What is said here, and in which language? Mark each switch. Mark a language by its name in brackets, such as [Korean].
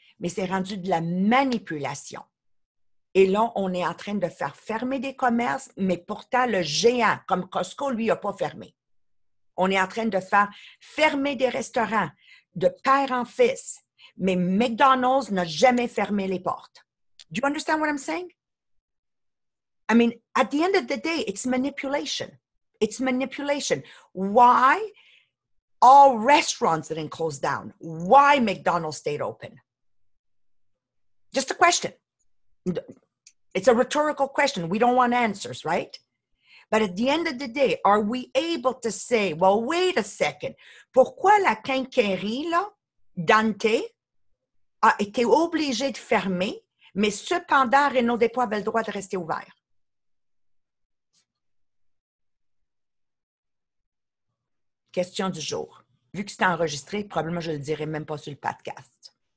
[French] Mais c'est rendu de la manipulation. Et là, on est en train de faire fermer des commerces, mais pourtant, le géant, comme Costco, lui, n'a pas fermé. On est en train de faire fermer des restaurants de père en fils, mais McDonald's n'a jamais fermé les portes. [English] Do you understand what I'm saying? I mean, at the end of the day, it's manipulation. It's manipulation. Why all restaurants didn't close down? Why McDonald's stayed open? Just a question. It's a rhetorical question. We don't want answers, right? But at the end of the day, are we able to say, well, wait a second. [French] Pourquoi la quincaillerie, là, Dante, a été obligée de fermer, mais cependant, Renaud Despois avait le droit de rester ouvert? Question du jour. Vu que c'est enregistré, probablement je ne le dirai même pas sur le podcast.